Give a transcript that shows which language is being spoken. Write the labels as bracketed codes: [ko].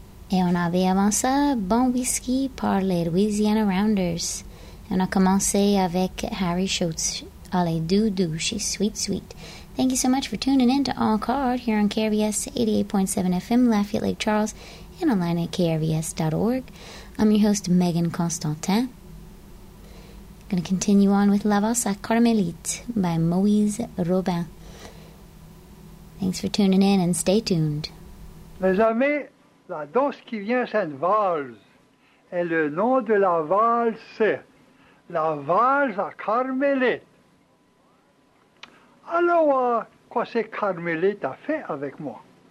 [fr] Et on avait avant ça Bon Whisky par les Louisiana Rounders. Et on a commencé avec Harry Schultz, Allez Doudou, She's Sweet Sweet. [en] Thank you so much for tuning in to Encore here on KRVS 88.7 FM, Lafayette Lake Charles, and online at KRVS.org. I'm your host, Megan Constantin. Going to continue on with La Valse à Carmélite by Moïse Robin. Thanks for tuning in and stay tuned. [fr] Mes amis, la danse qui vient, c'est une valse. Et le nom de la valse, c'est La Valse à Carmélite. Alors, quoi c'est Carmélite a fait avec moi?